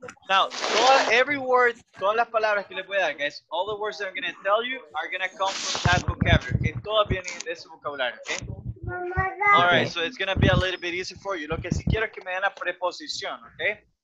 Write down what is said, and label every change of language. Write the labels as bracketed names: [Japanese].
[Spanish] Now, todas las palabras que les voy a dar, guys. [English] All the words that I'm gonna tell you are gonna come from that vocabulary. Okay, [Spanish] todas vienen de ese vocabulario. [English] Okay. All right, so it's gonna be a little bit easy for you. [Spanish] Lo que sí quiero es que me den la preposición, okay?